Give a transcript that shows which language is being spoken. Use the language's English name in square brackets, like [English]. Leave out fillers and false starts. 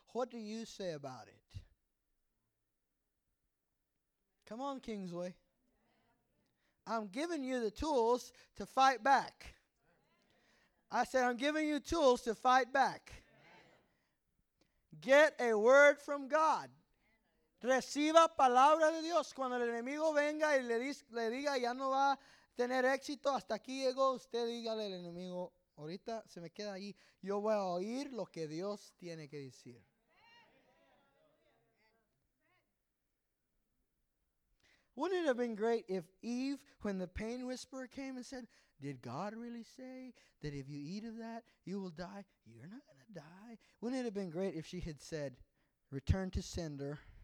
[English] What do you say about it? Come on, Kingsway. I'm giving you the tools to fight back. I said, I'm giving you tools to fight back. Get a word from God. [Spanish] Reciba palabra de Dios cuando el enemigo venga y le diga ya no va. Tener éxito, hasta aquí llegó, usted dígale al enemigo, ahorita se me queda ahí, yo voy a oír lo que Dios tiene que decir. [English] Wouldn't it have been great if Eve, when the pain whisperer came and said, did God really say that if you eat of that, you will die? You're not going to die. Wouldn't it have been great if she had said, return to sender.